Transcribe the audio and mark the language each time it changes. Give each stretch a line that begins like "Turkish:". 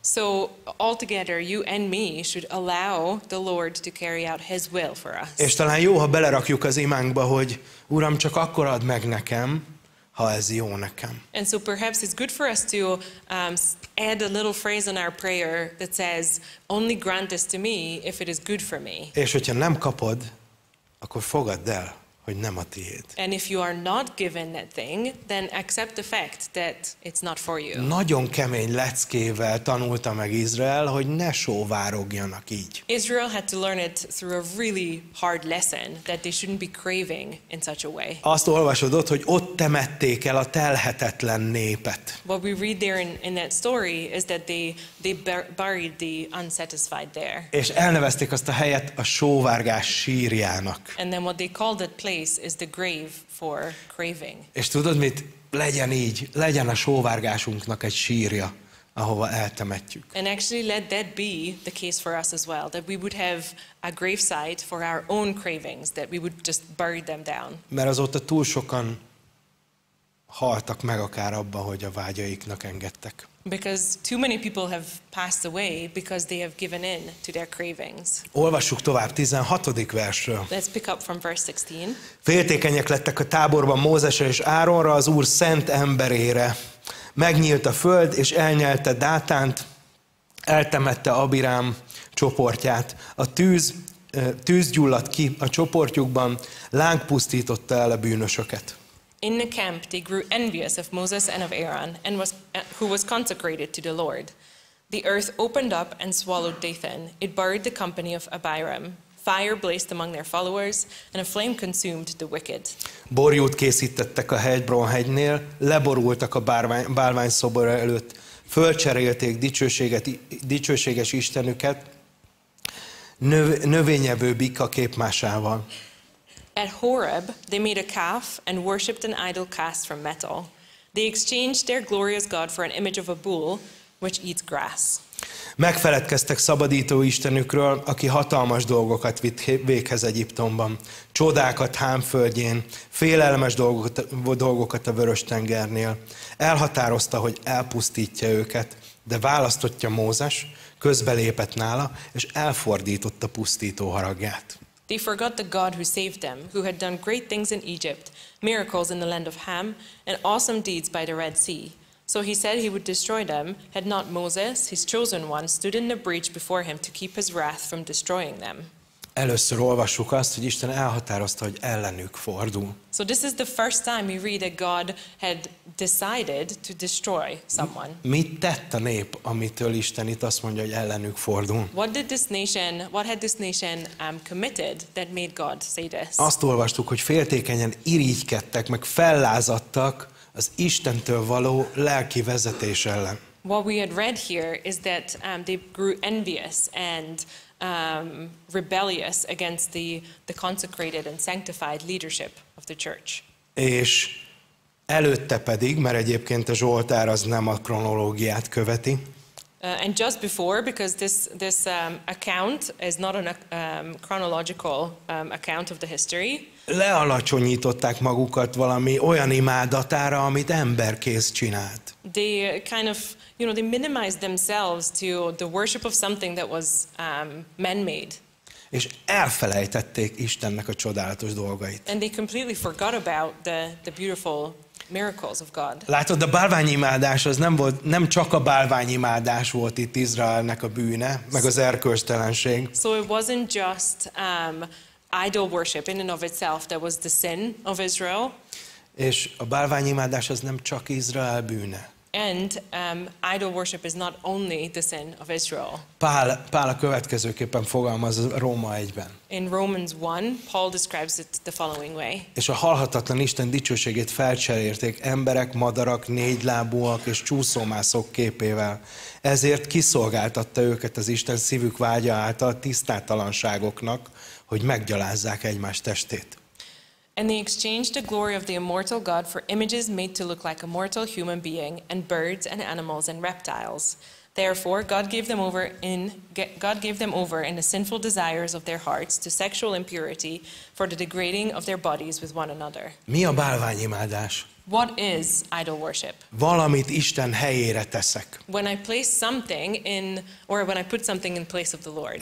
English: So altogether you and me should allow the Lord to carry out his will for us.
Hungarian: És talán jó, ha belerakjuk az imánkba, hogy Uram, csak akkor add meg nekem, ha ez jó nekem.
English: And so perhaps it's good for us to add a little phrase in our prayer that says, only grant this to me if it is good for me.
Hungarian: És hogyha nem kapod, akkor fogadd el, hogy nem a tiéd.
English: And if you are not given that thing, then accept the fact that it's not for you.
Hungarian: Nagyon kemény leckével tanulta meg Izrael, hogy ne sóvárogjanak így.
English: Israel had to learn it through a really hard lesson that they shouldn't be craving in such a way.
Hungarian: Azt olvasod ott, hogy ott temették el a telhetetlen népet.
English: What we read there in that story is that they buried the unsatisfied there.
Hungarian: És elnevezték azt a helyet a sóvárgás sírjának.
English: And then what they called it place is the grave for craving.
Hungarian: És tudod mit? Legyen így, legyen a sóvárgásunknak egy sírja, ahova eltemetjük.
English: And actually let that be the case for us as well, that we would have a grave site for our own cravings, that we would just bury them down.
Hungarian: Mert azóta túl sokan haltak meg akár abba, hogy a vágyaiknak engedtek.
English: Because too many people have passed away because they have given in to their cravings.
Hungarian: Olvassuk tovább 16. versről.
English: Let's pick up from verse 16.
Hungarian: Féltékenyek lettek a táborban Mózesre és Áronra, az Úr szent emberére. Megnyílt a föld, és elnyelte Dátánt, eltemette Abirám csoportját. A tűz gyulladt ki a csoportjukban, láng pusztította el a bűnösöket.
English: In the camp they grew envious of Moses and of Aaron, and who was consecrated to the Lord. The earth opened up and swallowed Dathan. It buried the company of Abiram. Fire blazed among their followers, and a flame consumed the wicked.
Hungarian: Borjút készítettek a Hebron-hegynél, leborultak a bálvány szobor előtt, fölcserélték dicsőséges istenüket növényevő bika képmásával.
English: At Horeb, they made a calf and worshipped an idol cast from metal. They exchanged their glorious god for an image of a bull, which eats grass.
Hungarian: Megfeledkeztek szabadító istenükről, aki hatalmas dolgokat vitt véghez Egyiptomban. Csodákat Hám földjén, félelmes dolgokat a Vörös-tengernél. Elhatározta, hogy elpusztítja őket, de választotta Mózes, közbelépett nála, és elfordította pusztító haragját.
English: They forgot the God who saved them, who had done great things in Egypt, miracles in the land of Ham, and awesome deeds by the Red Sea. So he said he would destroy them, had not Moses, his chosen one, stood in the breach before him to keep his wrath from destroying them.
Hungarian: Először olvassuk azt, hogy Isten elhatározta, hogy ellenük fordul.
English: So this is the first time we read that God had decided to destroy someone.
Hungarian: Mit tett a nép, amitől Isten itt azt mondja, hogy ellenük fordul?
English: What had this nation committed that made God say this?
Hungarian: Azt olvastuk, hogy féltékenyen irigykedtek, meg fellázadtak az Istentől való lelki vezetés ellen.
English: What we had read here is that they grew envious and rebellious against the consecrated and sanctified leadership of the church.
Hungarian: És előtte pedig, mert egyébként a Zsoltár az nem a kronológiát követi.
English: And just before, because this account is not a chronological account of the history.
Hungarian: Lealacsonyították magukat valami olyan imádatára, amit emberkéz csinált.
English: They kind of, you know, they minimized themselves to the worship of something that was man-made.
Hungarian: És elfelejtették Istennek a csodálatos dolgait.
English: And they completely forgot about the beautiful miracles of God.
Hungarian: Látod, a bálványimádás az nem volt, nem csak a bálványimádás volt itt Izraelnek a bűne, meg az erkölcstelenség.
English: So it wasn't just idol worship in and of itself that was the sin of Israel.
Hungarian: És a bálványimádás az nem csak Izrael bűne.
English: And idol worship is not only the sin of Israel.
Hungarian: Pál a következőképpen fogalmaz Róma 1-ben.
English: In Romans 1, Paul describes it the following way.
Hungarian: És a halhatatlan Isten dicsőségét felcserélték emberek, madarak, négylábúak és csúszómászok képével. Ezért kiszolgáltatta őket az Isten szívük vágya által tisztátalanságoknak, hogy meggyalázzák egymás testét.
English: And they exchanged the glory of the immortal God for images made to look like a mortal human being and birds and animals and reptiles. Therefore, God gave them over in the sinful desires of their hearts to sexual impurity for the degrading of their bodies with one another.
Hungarian: Mi a bálványimádás?
English: What is idol worship?
Hungarian: Valamit Isten helyére teszek.
English: When I place something in, or when I put something in place of the Lord.